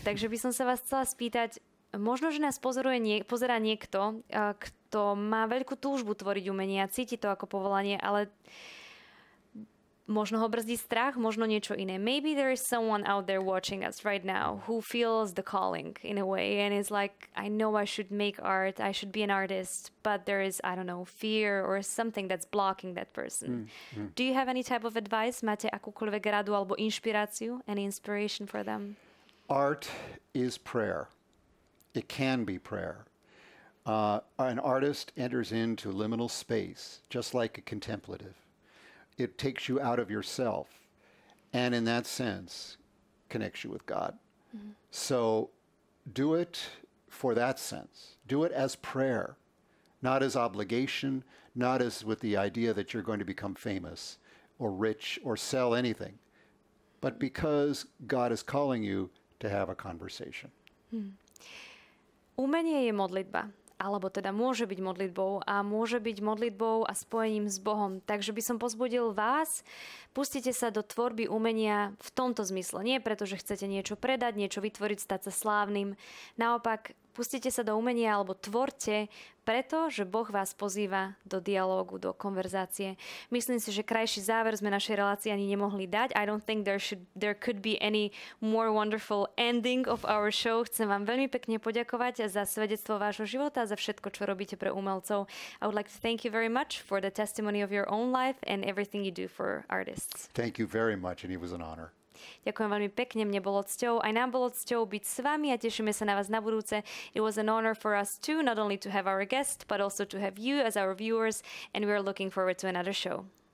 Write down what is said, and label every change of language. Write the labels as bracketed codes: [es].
[sk] Takže by som sa vás chcela spýtať, možno, že nás pozerá niekto, kto má veľkú túžbu tvoriť umenie a cíti to ako povolanie, ale možno ho brzdí strach, možno niečo iné. [en] Maybe there is someone out there watching us right now who feels the calling in a way and is like, I know I should make art, I should be an artist, but there is, I don't know, fear or something that's blocking that person. Do you have any type of advice? [sk] Máte akúkoľvek radu alebo inšpiráciu? [en] Any inspiration for them? Art is prayer. it can be prayer. An artist enters into liminal space, just like a contemplative. It takes you out of yourself, and in that sense, connects you with God. Mm-hmm. So do it for that sense. Do it as prayer, not as obligation, not as with the idea that you're going to become famous or rich or sell anything, but because God is calling you to have a conversation. [sk] Hmm. Umenie je modlitba. Alebo teda môže byť modlitbou a môže byť modlitbou a spojením s Bohom. Takže by som pozbudil vás, pustite sa do tvorby umenia v tomto zmysle. Nie preto, že chcete niečo predať, niečo vytvoriť, stať sa slávnym. Naopak, pustite sa do umenia alebo tvorte, pretože Boh vás pozýva do dialógu, do konverzácie. Myslím si, že krajší záver sme našej relácii ani nemohli dať. [en] I don't think there could be any more wonderful ending of our show. [sk] Chcem vám veľmi pekne poďakovať za svedectvo vášho života, za všetko, čo robíte pre umelcov. [en] I would like to thank you very much for the testimony of your own life and everything you do for artists. Thank you very much, and it was an honor. [sk] Ďakujem veľmi pekne, mne bolo cťou, aj nám bolo cťou byť s vami a tešíme sa na vás na budúce. [en] It was an honor for us too, not only to have our guest, but also to have you as our viewers, and we are looking forward to another show.